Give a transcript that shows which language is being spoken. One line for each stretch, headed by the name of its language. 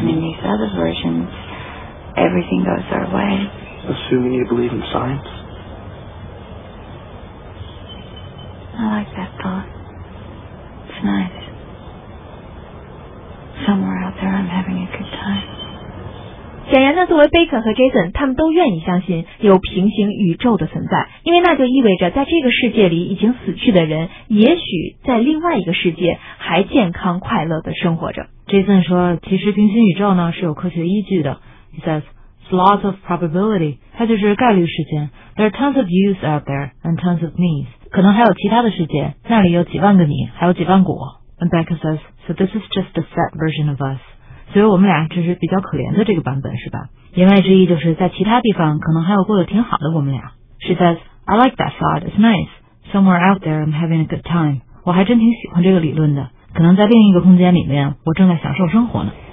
English: And in these other versions, everything goes our way. Assuming you believe in science. I like that thought. Nice. Somewhere out there, I'm having a good time.
Chinese: 显然呢，作为贝克和 Jason， 他们都愿意相信有平行宇宙的存在，因为那就意味着在这个世界里已经死去的人，也许在另外一个世界还健康快乐的生活着。 Jason 说，其实平行宇宙呢是有科学依据的。
English: He says, "Laws of probability."
Chinese: 它就是概率事件。
English: There are tons of views out there and tons of means.
Chinese: 可能还有其他的世界，那里有几万个你，还有几万果。
English: And Becca says, so this is just the sad version of us.
Chinese: 所以我们俩只是比较可怜的这个版本，是吧？言外之意就是在其他地方可能还有过得挺好的我们俩。
English: She says, I like that thought, it's nice. Somewhere out there, I'm having a good time.
Chinese: 我还真挺喜欢这个理论的，可能在另一个空间里面，我正在享受生活呢。